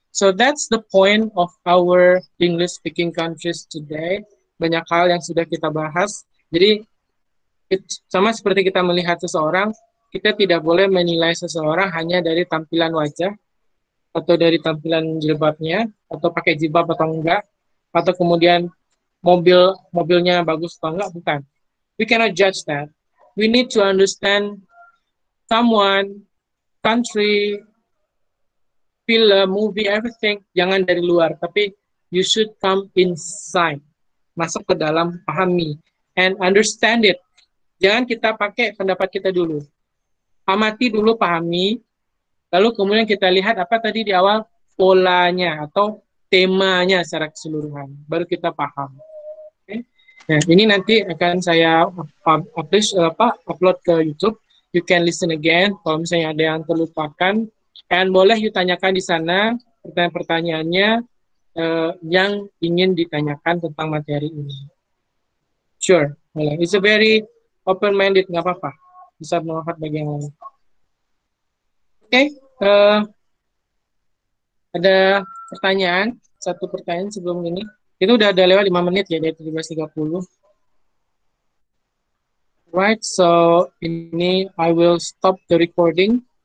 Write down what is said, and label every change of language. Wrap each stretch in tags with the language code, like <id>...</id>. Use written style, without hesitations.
<en>So, that's the point of our English speaking countries today.</en> <id>Banyak hal yang sudah kita bahas. Jadi, sama seperti kita melihat seseorang, kita tidak boleh menilai seseorang hanya dari tampilan wajah atau dari tampilan jilbabnya atau pakai jilbab atau enggak atau kemudian mobilnya bagus atau enggak, bukan.</id> <en>We cannot judge that. We need to understand someone, country, film, movie, everything,</en> <id>jangan dari luar, tapi</id> <en>you should come inside.</en> <id>Masuk ke dalam, pahami</id> <en>and understand it.</en> <id>Jangan kita pakai pendapat kita dulu. Amati dulu, pahami, lalu kemudian kita lihat apa tadi di awal polanya atau temanya secara keseluruhan, baru kita paham. Okay. Nah, ini nanti akan saya upload ke YouTube.</id> <en>You can listen again</en> <id>kalau misalnya ada yang terlupakan. And boleh you tanyakan di sana pertanyaannya yang ingin ditanyakan tentang materi ini.</id> <en>Sure, boleh. It's a very open-minded,</en> <id>nggak apa-apa. Bisa melihat bagian lain. Okay. Ada pertanyaan, satu pertanyaan sebelum ini. Itu udah ada lewat 5 menit ya, dari 17.30.</id> <en>Right, so ini I will stop the recording.</en>